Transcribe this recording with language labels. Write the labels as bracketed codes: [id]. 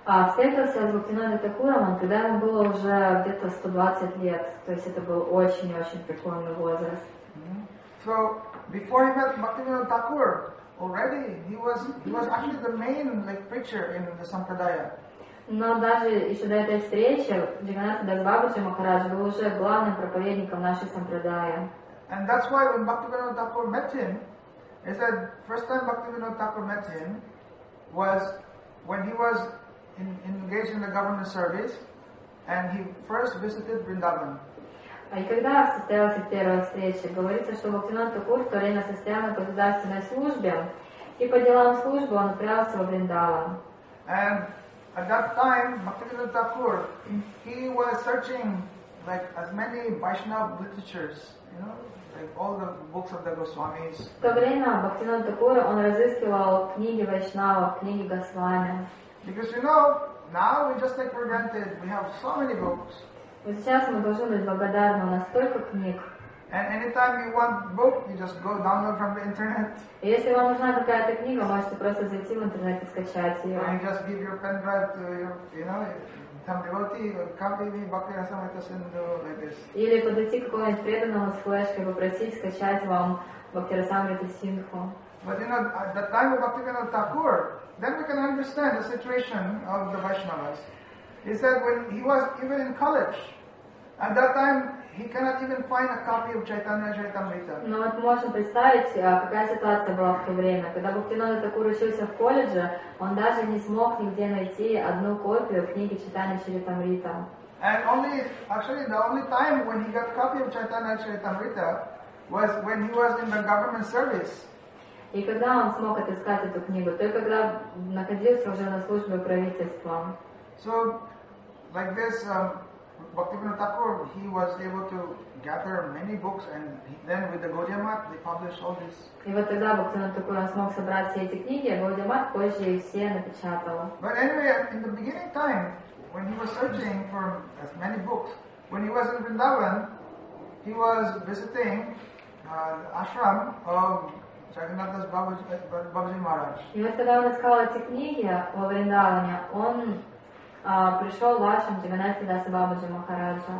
[ru] Встретился с Бхактивинода Такуром, когда ему было уже где-то 120 лет, то есть это был очень-очень преклонный возраст. [en] So, before he met Bhaktivinoda Thakur, already he was actually the main like preacher in the Sampradaya. [ru] Но даже еще до этой встречи Джаганнатха Дас Бабаджи Махарадж был уже главным проповедником нашей Сампрадая. [en] And that's why when Bhaktivinoda Thakur met him, he said, first time Bhaktivinoda Thakur met him was when he was engaged in the government service, and he first visited Vrindavan. [ru] И когда состоялась первая встреча, говорится, что Бхактивинода Такур в то время состоял на государственной службе, и по делам службы он отправился во Вриндаван. [en] And at that time, Bhaktivinoda Thakur, he was searching like as many Vaishnava literatures, you know, like all the books of the Goswamis. [ru] В то время Бхактивинода Такур, он разыскивал книги Вайшнава, книги Госвами. [en] Because you know, now we just take for granted we have so many books. [ru] Вот сейчас мы должны быть благодарны, у нас столько книг. [en] And anytime you want book, you just go download from the internet. [ru] Если вам нужна какая-то книга, можете просто зайти в интернет и скачать ее. [en] And just give your pen drive to some devotee or copy me, Bhakti Rasamrita Sindhu like this. [ru] Или подойти к какому-нибудь преданному с флешкой, попросить скачать вам Бхакти Расамрита Синдху. [en] But you know, at the time of Bhaktivinoda Thakur, then we can understand the situation of the Vaishnavas. He said when he was even in college, at that time he cannot even find a copy of Chaitanya Charitamrita. [ru] Но вот можно представить, какая ситуация была в то время, когда Бхактивинода Такур учился в колледже, он даже не смог нигде найти одну копию книги Чайтанья Чаритамрита. [en] And the only time when he got a copy of Chaitanya Charitamrita was when he was in the government service. [ru] И когда он смог отыскать эту книгу, только когда находился уже на службе правительства. [en] So, like this, Bhaktivinoda Thakur, he was able to gather many books, and then with the Gaudiya Math, they published all this. [ru] И вот тогда Бхактивинода Такур смог собрать все эти книги, а Gaudiya Math позже их все напечатала. [en] But anyway, in the beginning time, when he was searching for as many books, when he was in Vrindavan, he was visiting the ashram of Jagannath Das Babaji Maharaj. [ru] И вот когда он искал эти книги во Вриндаване, он пришел в ашрам Джаганнатха Даса Бабаджи Махараджа.